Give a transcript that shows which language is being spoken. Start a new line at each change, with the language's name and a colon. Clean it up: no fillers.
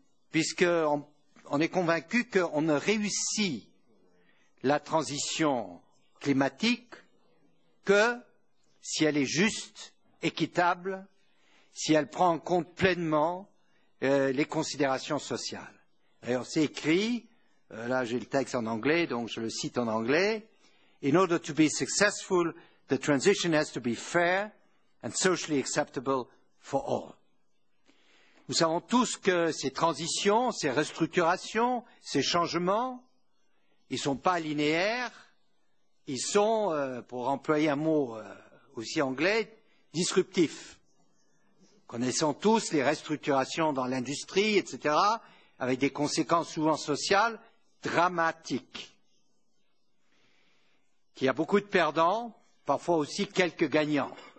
French: Puisqu'on est convaincu qu'on ne réussit la transition climatique que si elle est juste, équitable, si elle prend en compte pleinement les considérations sociales. D'ailleurs, c'est écrit. Là, j'ai le texte en anglais, donc je le cite en anglais.
English: In order to be successful, the transition has to be fair and socially acceptable for all.
French: Nous savons tous que ces transitions, ces restructurations, ces changements, ils ne sont pas linéaires. Ils sont, pour employer un mot aussi anglais, disruptifs. Connaissons tous les restructurations dans l'industrie, etc., avec des conséquences souvent sociales, dramatique, qu'il y a beaucoup de perdants, parfois aussi quelques gagnants.